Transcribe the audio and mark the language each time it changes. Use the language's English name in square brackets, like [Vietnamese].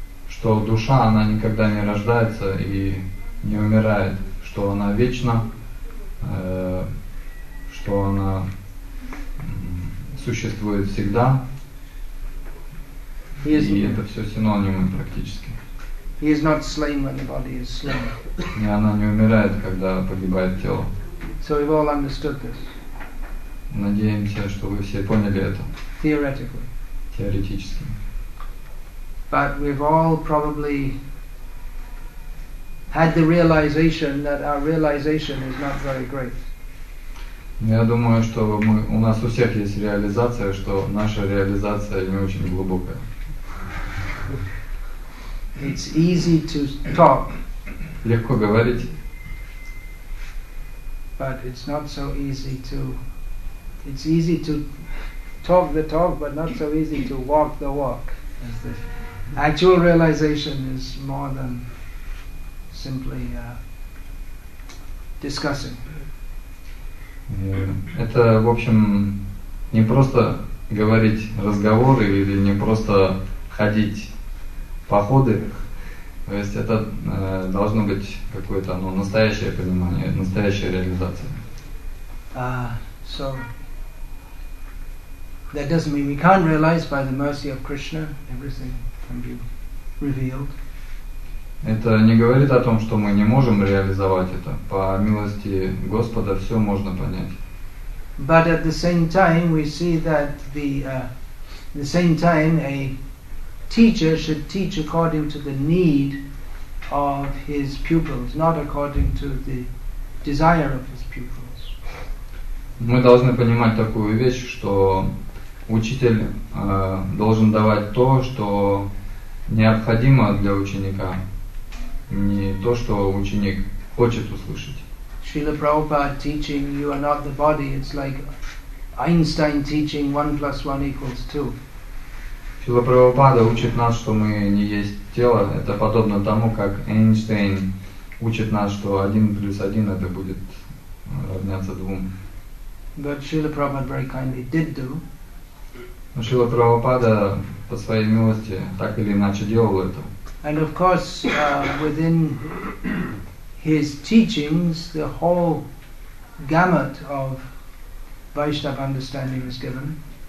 [Russian] Что душа, она никогда не рождается и не умирает. Что она вечна, что она существует всегда. И это все синонимы практически. [English] He is not slain when the body is slain. [Russian] И она не умирает, когда погибает тело. [English] So we've all understood this. [Russian] Надеемся, что вы все поняли это. [English] Theoretically. [Russian] Теоретически. [English] But we've all probably had the realization that our realization is not very great. [Russian] Я думаю, что мы, у нас у всех есть реализация, что наша реализация не очень глубокая. [English] It's easy to talk. [Russian] Легко говорить. [English] But it's not so easy to. It's easy to talk the talk, but not so easy to walk the walk. Actual realization is more than simply discussing. [Russian] Это, в общем, не просто говорить разговоры или не просто ходить походы. То есть это должно быть какое-то настоящее понимание, настоящая реализация. [English] So that doesn't mean we can't realize by the mercy of Krishna everything. [Russian] Это не говорит о том, что мы не можем реализовать это. По милости Господа все можно понять. [English] But at the same time, we see that the same time a teacher should teach according to the need of his pupils, not according to the desire of his pupils. [Russian] Мы должны понимать такую вещь, что учитель должен давать то, что необходимо для ученика, не то, что ученик хочет услышать. [English] Шрила Прабхупада teaching you are not the body, it's like Einstein teaching 1 + 1 = 2. [Russian] Шрила Прабхупада учит нас, что мы не есть тело, это подобно тому, как Эйнштейн учит нас, что 1 + 1 это будет равняться 2. [English] But Шрила Прабхупада very kindly did do. [Russian] Шрила Прабхупада по своей милости так или иначе делал это. [English] And of course, within his teachings, the whole gamut of Vaishnava understanding is given.